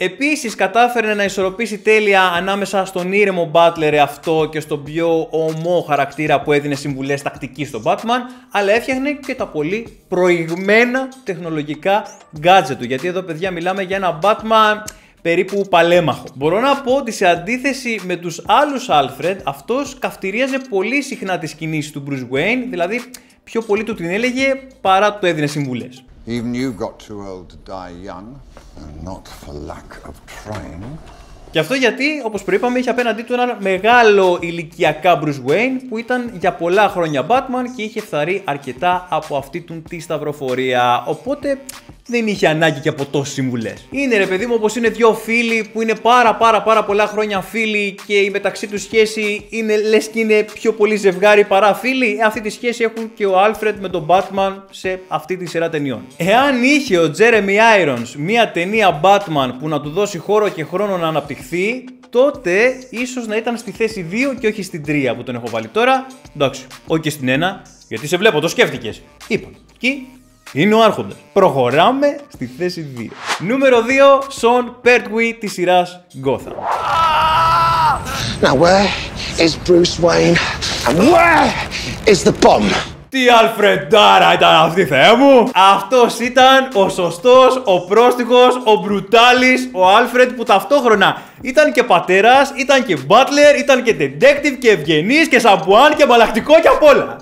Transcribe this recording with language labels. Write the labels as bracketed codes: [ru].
[el] Επίσης, κατάφερε να ισορροπήσει τέλεια ανάμεσα στον ήρεμο Butler αυτό και στον πιο ομό χαρακτήρα που έδινε συμβουλές τακτικής στον Batman, αλλά έφτιαχνε και τα πολύ προηγμένα τεχνολογικά gadget του. Γιατί εδώ, παιδιά, μιλάμε για ένα Batman περίπου παλέμαχο. Μπορώ να πω ότι σε αντίθεση με τους άλλους Alfred, αυτός καυτηρίαζε πολύ συχνά τις κινήσεις του Bruce Wayne, δηλαδή πιο πολύ του την έλεγε παρά του έδινε συμβουλές. [en] Even you got too old to die young, and not for lack of trying. [el] Και αυτό γιατί, όπως προείπαμε, είχε απέναντί του έναν μεγάλο ηλικιακά Bruce Wayne που ήταν για πολλά χρόνια Batman και είχε φθαρεί αρκετά από αυτή του τη σταυροφορία, οπότε δεν είχε ανάγκη και από τόσες συμβουλές. Είναι, ρε παιδί μου, όπως είναι δύο φίλοι που είναι πάρα πολλά χρόνια φίλοι και η μεταξύ τους σχέση είναι, λες και είναι πιο πολύ ζευγάρι παρά φίλοι. Αυτή τη σχέση έχουν και ο Alfred με τον Batman σε αυτή τη σειρά ταινιών. Εάν είχε ο Jeremy Irons μία ταινία Batman που να του δώσει χώρο και χρόνο να αναπτυχθεί, τότε ίσως να ήταν στη θέση 2 και όχι στην 3 που τον έχω βάλει τώρα. Εντάξει, όχι στην 1, γιατί σε βλέπω, το σκέφτηκες. Είπαμε. Και είναι ο άρχοντας. Προχωράμε στη θέση 2. Νούμερο 2, Σον Πέρτουι της σειράς Gotham. [en] Now where is Bruce Wayne? And where is the bomb? [el] Τι Αλφρεντάρα ήταν αυτή, θεέ μου! Αυτός ήταν ο σωστός, ο πρόστιχος, ο μπρουτάλης, ο Άλφρεντ που ταυτόχρονα ήταν και πατέρας, ήταν και butler, ήταν και detective και ευγενής και σαμπουάν και μπαλακτικό και απ' όλα.